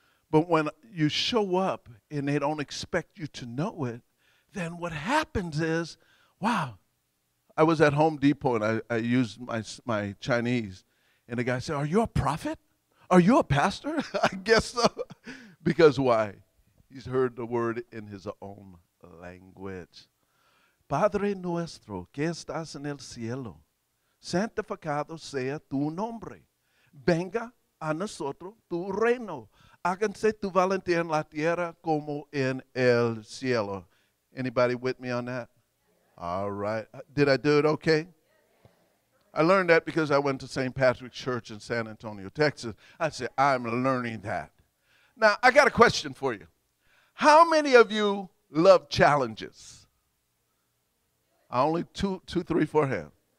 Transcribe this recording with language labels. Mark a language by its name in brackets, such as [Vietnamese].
[English] But when you show up and they don't expect you to know it, then what happens is, wow, I was at Home Depot and I used my Chinese. And the guy said, are you a prophet? Are you a pastor? I guess so. Because why? He's heard the word in his own language. [Spanish] Padre nuestro, que estás en el cielo. Santificado sea tu nombre. Venga a nosotros tu reino. Háganse tu voluntad en la tierra como en el cielo. [English] Anybody with me on that? All right. Did I do it okay? I learned that because I went to St. Patrick's Church in San Antonio, Texas. I said, I'm learning that. Now, I got a question for you. How many of you love challenges? Only two, three, four hands.